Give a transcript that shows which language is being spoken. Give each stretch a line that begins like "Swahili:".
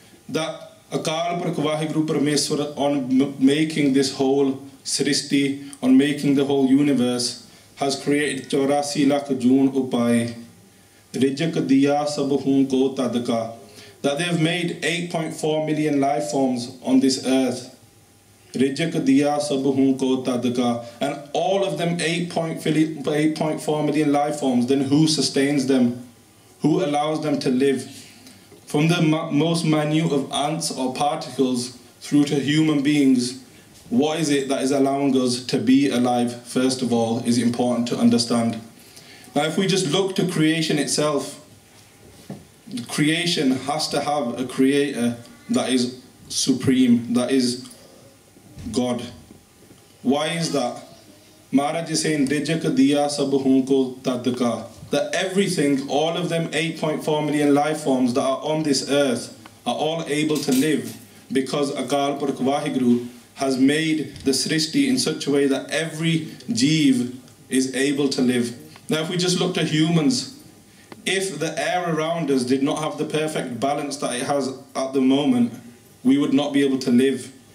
English: That Akal Purakh Waheguru Parmeshwar, on making this whole ਸ੍ਰਿਸ਼ਟੀ, on making the whole universe, has created
Punjabi: 84 lakh ਜੂਨ ਉਪਾਏ ਰਿਜ਼ਕ ਦੀਆ ਸਭ ਹੂੰ ਕੋ ਤਾਦਕਾ.
English: That they have made 8.4 million life forms on this earth.
Punjabi: Rijak diya sab hun ko tadka.
English: And all of them 8.4 million life forms, then who sustains them? Who allows them to live? From the most minute of ants or particles through to human beings, what is it that is allowing us to be alive, first of all, is important to understand. Now, if we just look to creation itself, creation has to have a creator that is supreme, that is God. Why is that? Maharaj is saying,
Punjabi: ਦਿਜਕ ਦੀਆ ਸਭ ਹੂੰ ਕੋ ਤਾਦਕਾ.
English: That everything, all of them 8.4 million life forms that are on this earth, are all able to live because Akal Purakh Vaheguru has made the srishti in such a way that every jeev is able to live. Now if we just look to humans, if the air around us did not have the perfect balance that it has at the moment, we would not be able to live.